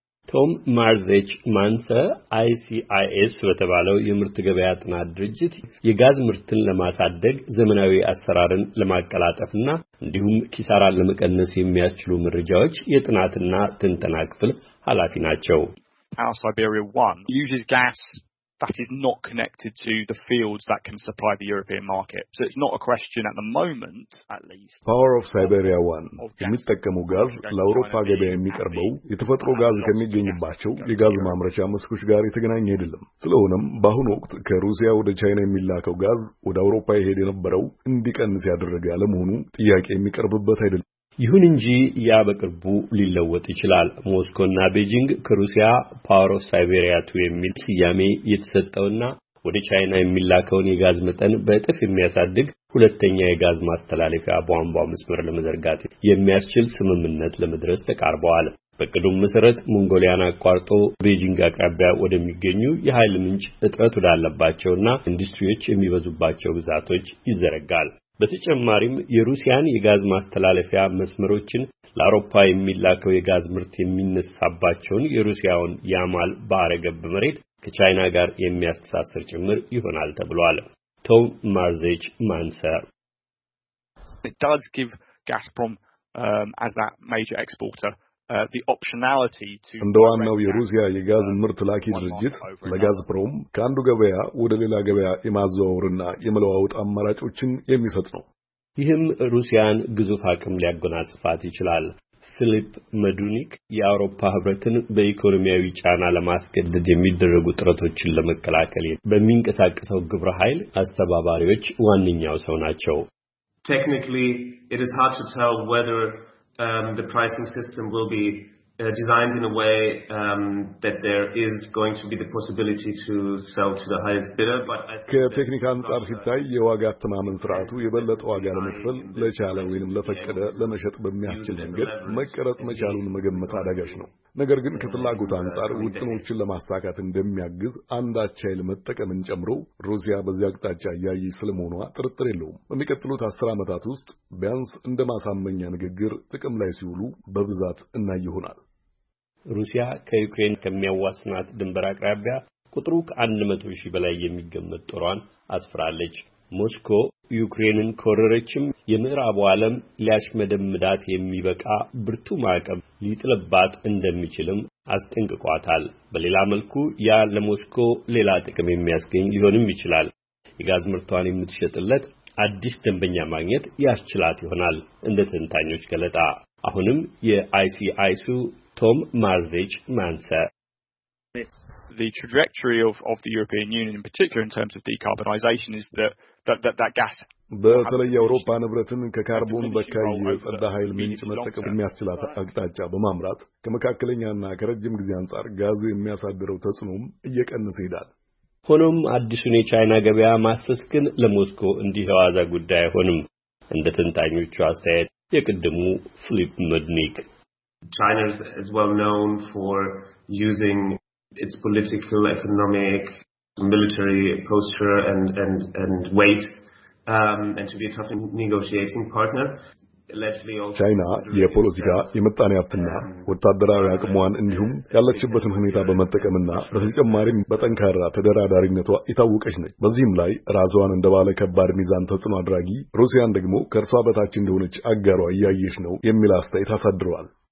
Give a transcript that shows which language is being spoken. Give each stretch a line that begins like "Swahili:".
Amharic: ቶም ማርዜች ማንሰ ICIS በተባለው የምርት ገበያ ጥናት ድርጅት የጋዝ ምርትን ለማሳደግ ዘመናዊ አሰራርን ለማቀላጠፍና እንዲሁም ኪሳራን ለመቀነስ የሚያስችሉ መረጃዎች የጥናትና ትንተና ክፍል ኃላፊ ናቸው።
English: Siberia 1 uses gas that is not connected to the fields that can supply the European market. So it's not a question at the moment, at least. Power of Siberia 1.
Amharic: የሚጠቀመው ጋዝ ለአውሮፓ ገበያ የሚቀርበው የተፈጥሮ ጋዝ ከሚገኝባቸው የጋዝ ማምረቻ መስኮች ጋር የተገናኘ አይደለም። ስለሆነም በአሁኑ ወቅት ከሩሲያ ወደ ቻይና የሚላከው ጋዝ ወደ አውሮፓ ይሄድ የነበረው እንዲቀንስ ያደረገ ያለ መሆኑ ጥያቄ የሚቀርብበት አይደለም። ይሁን እንጂ ያ በቅርቡ ሊለወጥ ይችላል። ሞስኮና ቤጂንግ ከሩሲያ ፓወር ኦፍ ሳይቤሪያ 2 የሚል ስያሜ የተሰጠውና ወደ ቻይና የሚላከውን የጋዝ መጠን በእጥፍ የሚያሳድግ ሁለተኛ የጋዝ ማስተላለፊያ ቧንቧ መስመር ለመዘርጋት የሚያስችል ስምምነት ለመድረስ ተቃርበዋል። በቅዱም መሰረት ሞንጎሊያን አቋርጦ ቤጂንግ አቅራቢያ ወደሚገኙ የኃይል ምንጭ እጥረት ወዳለባቸውና ኢንዱስትሪዎች የሚበዙባቸው ግዛቶች ይዘረጋል። በተጨማሪም የሩሲያን የጋዝ ማስተላለፊያ መስመሮችን ለአውሮፓ የሚላከው የጋዝ ምርት የሚነሳባቸውን የሩሲያውን ያማል ባህረ ገብ መሬት ከቻይና ጋር የሚያስተሳስር ጭምር ይሆናል ተብሏል። ቶም ማርዜች ማንሰር
English: It does give Gazprom as that major exporter the optionality to
Amharic: እንደዋናው የሩሲያ የጋዝ ምርት ላኪ ድርጅት ለጋዝፕሮም ካንዱ ገበያ ወደ ሌላ ገበያ የማዘዋወርና የመለዋወጥ አማራጮችን የሚሰጥ ነው። ይህም ሩሲያን ግዙፍ አቅም ሊያጎናጽፋት ይችላል። ፊሊፕ መዱኒክ የአውሮፓ ህብረትን በኢኮኖሚያዊ ጫና ለማስገደድ የሚደረጉ ጥረቶችን ለመከላከል በሚንቀሳቀሰው ግብረ ኃይል አስተባባሪዎች ዋነኛው ሰው ናቸው።
English: Technically it is hard to tell whether the pricing system will be designed in a way that there is going to be the possibility to sell to the highest bidder but I think technical answer
Amharic: ሲታይ የዋጋ ተማመን ፍራቱ የበለጠ ዋጋ ለመፈል ለቻለ ወይንም ለፈቀደ ለመሸጥ በሚያስችል መንገድ መቀረጽ መቻሉን መገመት አዳጋች ነው። ነገር ግን ከፍላጎት አንጻር ውጥኖችን ለማስተካከት እንደሚያግዝ አንዳቻይል መጠቀምን ጨምሮ ሩሲያ በዚህ አቅጣጫ ያያይ ስለመሆኗ ጥርጥር የለውም። በሚቀጥሉት 10 አመታት ውስጥ ቢያንስ እንደማሳመኛ ንግግር ጥቅም ላይ ሲውሉ በብዛት እናይሆናል። ሩሲያ ከዩክሬን ከሚያዋስናት ድንበር አቅራቢያ ቁጥሩ ከ100,000 በላይ የሚገመት ጦሯን አስፍራለች። ሞስኮ ዩክሬንን ኮረረችም የምዕራብ ዓለም ሊያሽመደምዳት የሚበቃ ብርቱ ማዕቀብ ሊጥልባት እንደሚችልም አስጠንቅቋታል። በሌላ መልኩ ያ ለሞስኮ ሌላ ጥቅም የሚያስገኝ ሊሆንም ይችላል። የጋዝ ምርቷን የምትሸጥለት አዲስ ደንበኛ ማግኘት ያስችላት ይሆናል እንደ ተንታኞች ገለጣ። አሁንም የICIS ቶም ማርዜች ማንሰ
English: the trajectory of the European Union in particular in terms of decarbonization is that gas
Amharic: በተለይ አውሮፓ ንብረትን ከካርቦን በካይ የጸዳ ኃይል ምንጭ መጠቀም የሚያስችላት አቅጣጫ በማምራት ከመካከለኛና ከረጅም ጊዜ አንጻር ጋዙ የሚያሳድረው ተጽዕኖም እየቀነሰ ይሄዳል። ሆኖም አዲሱን የቻይና ገበያ ማስተስ ግን ለሞስኮ እንዲህ የዋዛ ጉዳይ አይሆንም እንደ ተንታኞቹ አስተያየት የቅድሙ ፊሊፕ መድኒክ
English: China is well known for using its political, economic, military posture and weight and to be a tough negotiating partner.
Amharic: ቻይና የፖለቲካ የምጣኔ ሀብትና ወታደራዊ አቅሟን እንዲሁም ያለችበትን ሁኔታ በመጠቀምና በተጨማሪም በጠንካራ ተደራዳሪነቷ የታወቀች ነች። በዚህም ላይ ራስዋን እንደባለ ከባድ ሚዛን ተጽዕኖ አድራጊ ሩሲያን ደግሞ ከእርሷ በታች እንደሆነች አጋሯ እያየች ነው የሚል አስተያየት አሳድረዋል።